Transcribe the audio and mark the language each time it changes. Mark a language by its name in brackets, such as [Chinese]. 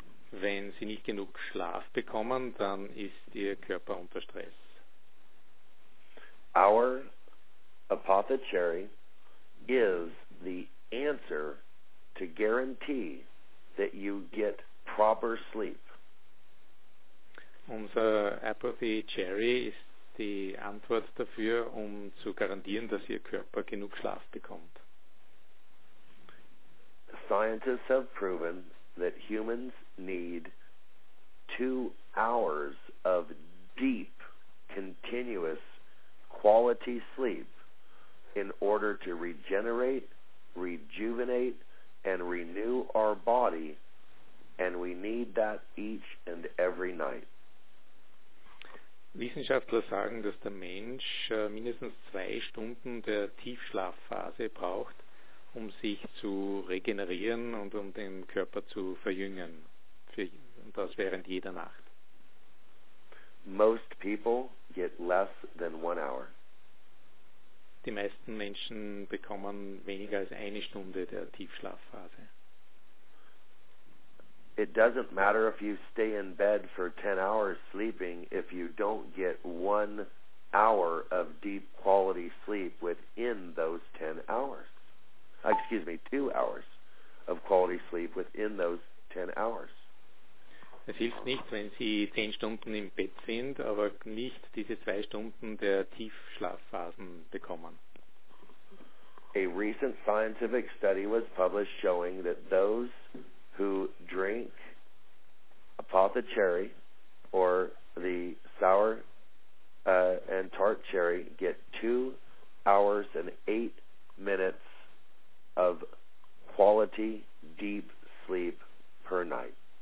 [German] Wenn Sie nicht genug Schlaf bekommen, dann ist Ihr Körper unter Stress. [English] Our apothecary is the answer to guarantee that you get proper sleep. [German] Unser Apothecary ist die Antwort dafür, um zu garantieren, dass Ihr Körper genug Schlaf bekommt. [English] Scientists have proven that humans need 2 hours of deep, continuous, quality sleep in order to regenerate, rejuvenate, and renew our body, and we need that each and every night. [German] Wissenschaftler sagen, dass der Mensch mindestens 2 Stunden der Tiefschlafphase braucht, um sich zu regenerieren und um den Körper zu verjüngen. Und das während jeder Nacht. [English] Most people get less than 1 hour. [German] Die meisten Menschen bekommen weniger als 1 Stunde der Tiefschlafphase. [English] It doesn't matter if you stay in bed for 10 hours sleeping if you don't get 1 hour of deep quality sleep within those 10 hours. Excuse me, 2 hours of quality sleep within those 10 hours. [German] Es hilft nicht, wenn Sie 10 Stunden im Bett sind, aber nicht diese 2 Stunden der Tiefschlafphasen bekommen. [English] A recent scientific study was published showing that those who drink apothecary or the sour and tart cherry get 2 hours and 8 minutes of quality deep sleep per night.